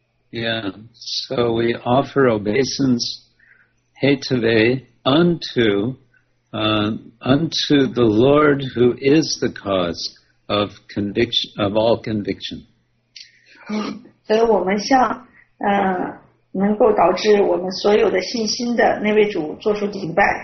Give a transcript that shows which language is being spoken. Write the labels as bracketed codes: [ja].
[en] Yeah， so we offer obeisance， hetave。 Unto the Lord who is the cause of conviction, of all conviction. [zh] 所以我们向能够导致我们所有的信心的那位主做出敬拜。